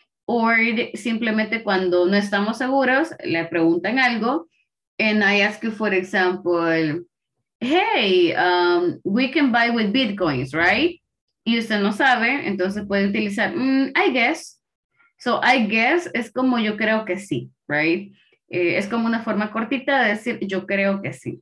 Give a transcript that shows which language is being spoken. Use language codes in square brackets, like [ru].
[es] Or simplemente cuando no estamos seguros, le preguntan algo. [en] And I ask you, for example, hey, we can buy with bitcoins, right? [es] Y usted no sabe, entonces puede utilizar, [en] I guess. So, I guess [es] es como yo creo que sí, right? Es como una forma cortita de decir, yo creo que sí.